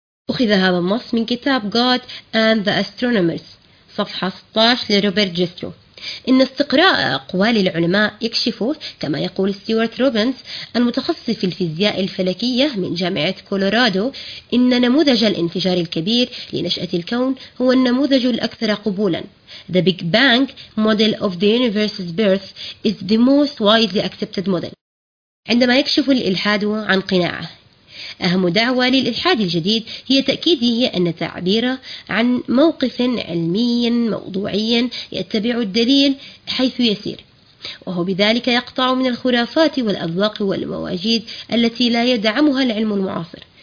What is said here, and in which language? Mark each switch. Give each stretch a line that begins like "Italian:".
Arabic: أخذ هذا النص من كتاب God and the Astronomers صفحة 16 لروبرت جيسترو. إن استقراء أقوال العلماء يكشف، كما يقول ستيوارت روبنز المتخصص في الفيزياء الفلكية من جامعة كولورادو، إن نموذج الانفجار الكبير لنشأة الكون هو النموذج الأكثر قبولاً.
English: The Big Bang Model of the Universe's Birth is the most widely accepted model.
Arabic: عندما يكشف الإلحاد عن قناعة، أهم دعوة للإلحاد الجديد هي تأكيده أن التعبير عن موقف علمي موضوعي يتبع الدليل حيث يسير، وهو بذلك يقطع من الخرافات والأذواق والمواجيد التي لا يدعمها العلم المعاصر.